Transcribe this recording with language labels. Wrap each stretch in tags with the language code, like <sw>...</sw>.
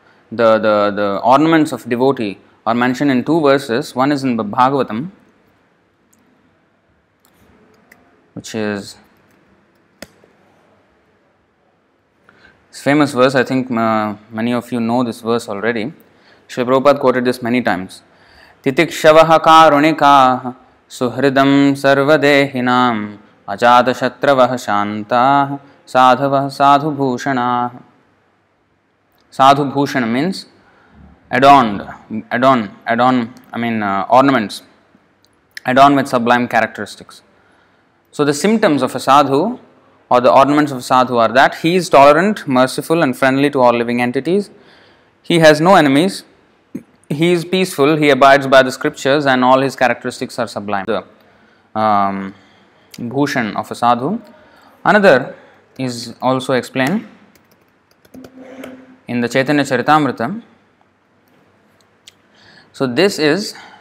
<en>The ornaments of devotee are mentioned in 2 verses. One is in the Bhagavatam, which is this famous verse. I think many of you know this verse already. Srila Prabhupada quoted this many times.</en> <sa>तितिक्षवः कारुणिकाः सुहृदं सर्वदेहिनां अजातशत्रवः शान्ताः साधवः साधुभूषणाः।</sa> <en>साधुभूषण means ornaments adorn with sublime characteristics. So the symptoms of a sadhu or the ornaments of sadhu are that he is tolerant merciful and friendly to all living entities. He has no enemies. He is peaceful, he abides by the scriptures, and all his characteristics are sublime. The bhushan of a sadhu. Another is also explained in the Chaitanya Charitamrita. So this is</en>